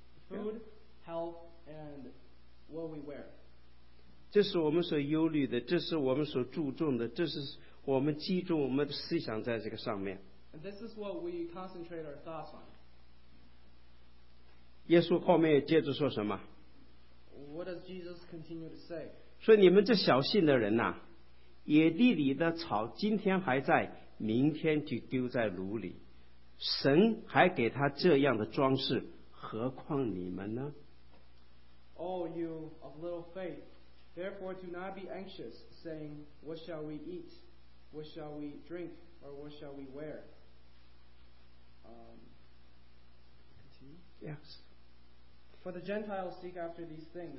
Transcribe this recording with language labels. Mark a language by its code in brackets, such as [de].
[en] Food, health, and what we wear. [zh] 这是我们所忧虑的，这是我们所注重的，这是。我们集中我们的思想在这个上面。 [en] And this is what we concentrate our thoughts on. [zh] 耶稣后面接着说什么？ [en] What does Jesus continue to say? [zh] 说你们这小信的人啊， 野地里的草今天还在， 明天就丢在炉里， 神还给他这样的装饰， 何况你们呢？ [en] Oh, you of little faith, therefore do not be anxious, saying, what shall we eat? What shall we drink, or what shall we wear? Continue. Yes. For the Gentiles seek after these things.